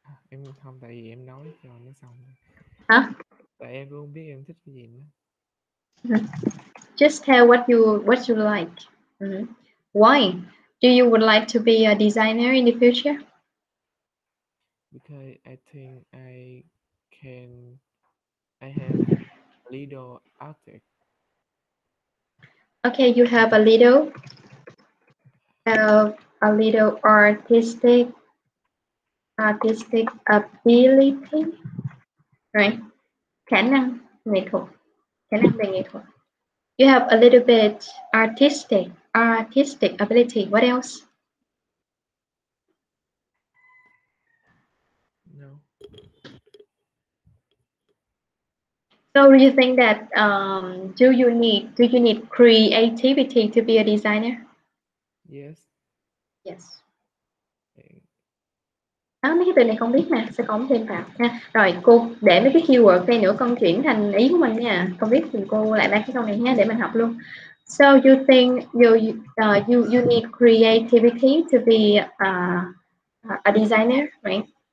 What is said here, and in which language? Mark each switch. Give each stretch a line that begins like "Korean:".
Vietnamese: Em không, tại vì em nói cho nó xong. Hả? Tại em không biết em thích cái gì nữa.
English: Just tell what you like. Why do you would like to be a designer in the future? Because I think I have a little artist. Okay, you have a little artistic ability, right?
Vietnamese: Khả năng nghệ thuật, khả năng về nghệ thuật.
English: You have a little bit artistic ability. What else? No. So do you think that do you need creativity to be a designer? Yes. Yes.
Vietnamese: Đó, mấy cái từ này không biết nè, sẽ có thêm vào ha. Rồi cô để mấy cái keyword đây nữa, con chuyển thành ý của mình nha. Con biết thì cô lại ba cái câu này nha, để mình học luôn.
English: So you think you need creativity to be a designer, right?